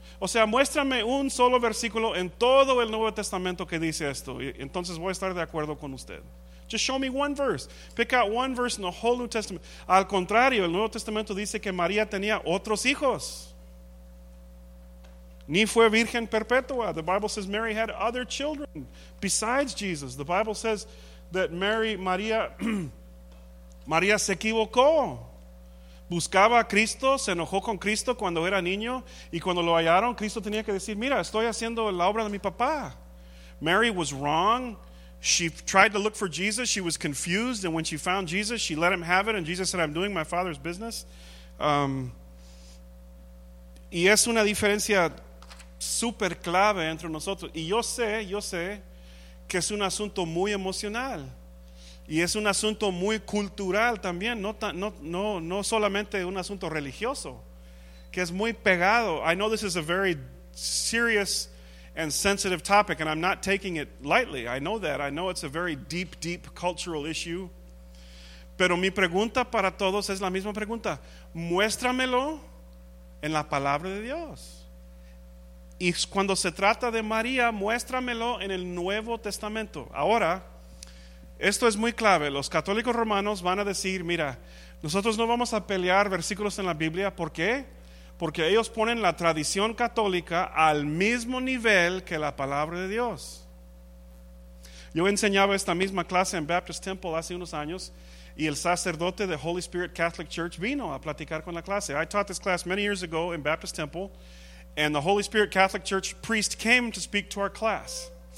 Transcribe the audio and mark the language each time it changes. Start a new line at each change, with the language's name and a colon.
Spanish: O sea, muéstrame un solo versículo en todo el Nuevo Testamento que dice esto. Entonces voy a estar de acuerdo con usted.
English: Just show me one verse. Pick out one verse in the whole New Testament.
Spanish: Al contrario, el Nuevo Testamento dice que María tenía otros hijos. Ni fue virgen perpetua.
English: The Bible says Mary had other children besides Jesus. The Bible says that María
Spanish: se equivocó. Buscaba a Cristo, se enojó con Cristo cuando era niño, y cuando lo hallaron, Cristo tenía que decir, mira, estoy haciendo la obra de mi papá.
English: Mary was wrong. She tried to look for Jesus. She was confused, and when she found Jesus, she let him have it, and Jesus said, I'm doing my father's business.
Spanish: Y es una diferencia súper clave entre nosotros. Y yo sé que es un asunto muy emocional. Y es un asunto muy cultural también, no solamente un asunto religioso, que es muy pegado.
English: I know this is a very serious and sensitive topic, and I'm not taking it lightly. I know that. I know it's a very deep, deep cultural issue.
Spanish: Pero mi pregunta para todos es la misma pregunta. Muéstramelo en la palabra de Dios. Y cuando se trata de María, muéstramelo en el Nuevo Testamento. Ahora, esto es muy clave. Los católicos romanos van a decir, mira, nosotros no vamos a pelear versículos en la Biblia. ¿Por qué? Porque ellos ponen la tradición católica al mismo nivel que la palabra de Dios. Yo enseñaba esta misma clase en Baptist Temple hace unos años, y el sacerdote de Holy Spirit Catholic Church vino a platicar con la clase.
English: I taught this class many years ago in Baptist Temple, and the Holy Spirit Catholic Church priest came to speak to our class.